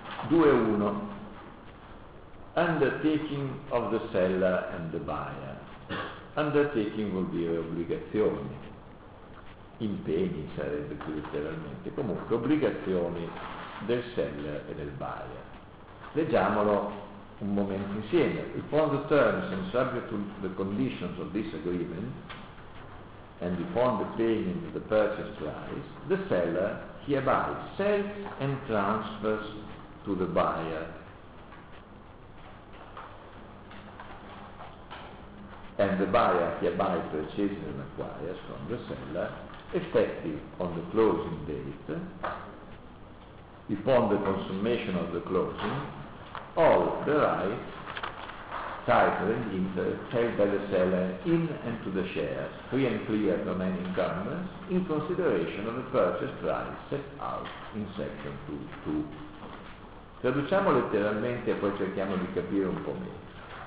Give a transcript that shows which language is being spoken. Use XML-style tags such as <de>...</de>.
<en>2.1. Undertaking of the seller and the buyer.</en> <it>Undertaking vuol dire obbligazioni, impegni sarebbe più letteralmente, comunque obbligazioni del seller e del buyer. Leggiamolo un momento insieme.</it> <en>Upon the terms and subject to the conditions of this agreement and upon the payment of the purchase price, the seller hereby sells and transfers to the buyer and the buyer hereby purchases and acquires from the seller effective on the closing date upon the consummation of the closing all the rights, title and interest held by the seller in and to the shares free and clear from any encumbrance in consideration of the purchase price set out in section 2.2.</en> <it>Traduciamo letteralmente e poi cerchiamo di capire un po' meglio.</it>